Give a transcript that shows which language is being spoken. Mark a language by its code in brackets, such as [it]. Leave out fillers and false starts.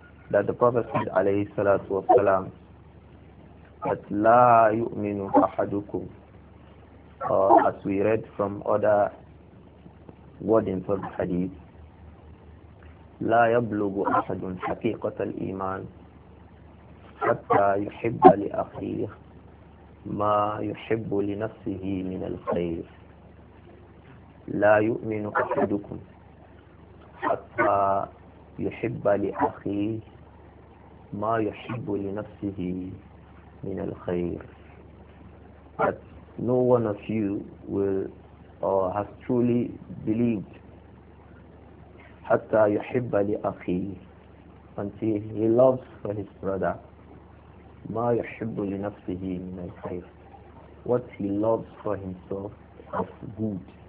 [ar] that the Prophet said عليه الصلاة والسلام that لا يؤمن أحدكم as we read from other wordings of the hadith, لا يبلغ أحد حقيقة الإيمان حتى يحب لأخيه ما يحب لنفسه من الخير. لا يؤمن أحدكم حتى يحب لأخيه ما يحب لنفسه من الخير. [en] But no one of you will has truly believed حتى يحب لأخي until he loves for his brother ما يحب لنفسه من الخير what he loves for himself of good.